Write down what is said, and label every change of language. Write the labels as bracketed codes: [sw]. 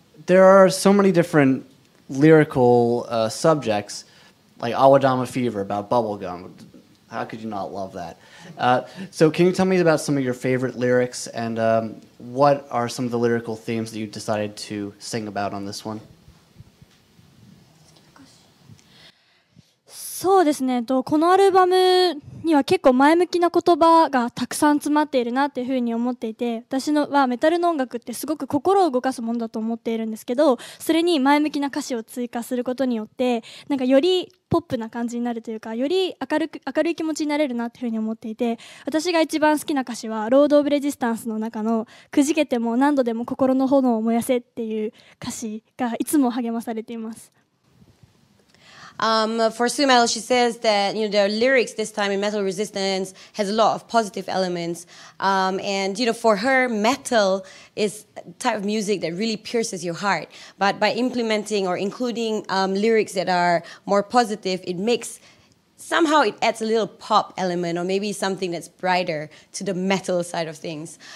[en] There are so many different lyrical subjects. like Awadama Fever, about bubblegum. How could you not love that? So can you tell me about some of your favorite lyrics and what are some of the lyrical themes that you decided to sing about on this one? [ja] そうですね。このアルバムには結構前向きな言葉がたくさん詰まっているなっていうふうに思っていて、私のはメタルの音楽ってすごく心を動かすものだと思っているんですけど、それに前向きな歌詞を追加することによって、なんかよりポップな感じになるというか、より明るい気持ちになれるなっていうふうに思っていて、私が一番好きな歌詞はロード・オブ・レジスタンスの中のくじけても何度でも心の炎を燃やせっていう歌詞がいつも励まされています。 [en] For Sumail, she says that, you know, the lyrics this time in Metal Resistance has a lot of positive elements. And, you know, for her, metal is a type of music that really pierces your heart. But by implementing or including lyrics that are more positive, it makes, somehow it adds a little pop element or maybe something that's brighter to the metal side of things.